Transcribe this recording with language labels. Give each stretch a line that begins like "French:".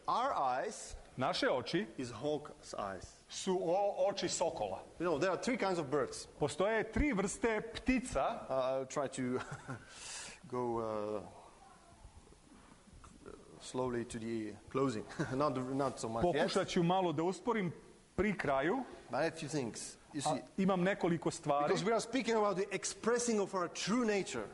English: Our eyes,
Serbian: naše oči,
English: is hawk's eyes.
Serbian: Su oči sokola.
English: You know, there are three kinds of birds.
Serbian: Postoje tri vrste ptica.
English: I'll try to go slowly to the closing. not so much.
Serbian: Pokušat ću malo da usporim pri kraju.
English: But a few things. You see,
Serbian: imam nekoliko stvari.
English: Because we are speaking about the expressing of our true nature.